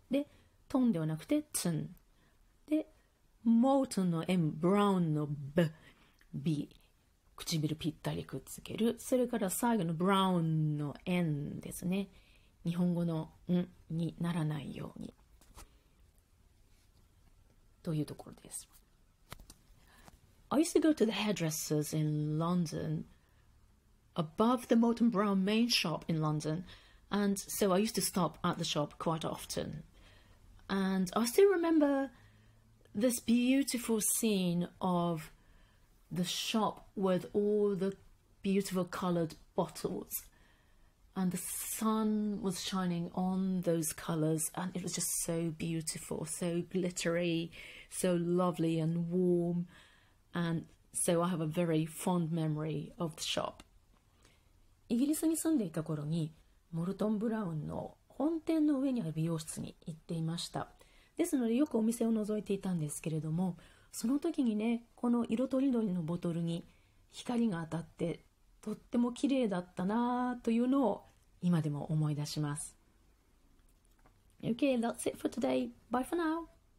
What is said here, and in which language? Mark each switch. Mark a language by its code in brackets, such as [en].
[ja] で、トンではなくて、ツン。で、モートンの M、ブラウンの B、B、唇ぴったりくっつける。それから最後のブラウンの N ですね。日本語のんにならないようにというところです。 [en] I used to go to the hairdressers in London above the Molton Brown main shop in London, and so I used to stop at the shop quite often. And I still remember this beautiful scene of the shop with all the beautiful colored bottles. And the sun was shining on those colors, and it was just so beautiful, so glittery, so lovely and warm. And so I have a very fond memory of the shop. [ja] イギリスに住んでいた頃に、モルトンブラウンの本店の上にある美容室に行っていました。ですので、よくお店を覗いていたんですけれども、その時にね、この色とりどりのボトルに光が当たって、とっても綺麗だったなというのを今でも思い出します。 [en] Okay, that's it for today. Bye for now.